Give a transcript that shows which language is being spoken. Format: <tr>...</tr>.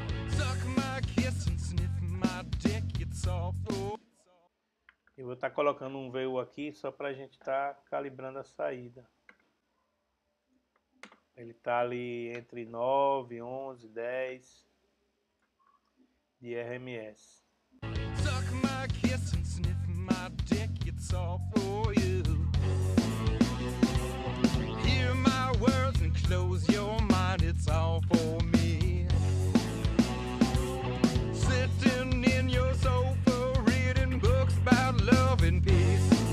<en>Suck my kiss and sniff my dick, it's all for...</en> <pt>Eu vou estar colocando um VU aqui só para a gente estar calibrando a saída. Ele está ali entre 9, 11, 10 de RMS.</pt> <en>Suck my kiss and sniff my dick, it's all for you. Hear my words and close your mind, it's all for me. Sitting in your sofa, reading books about love and peace.</en>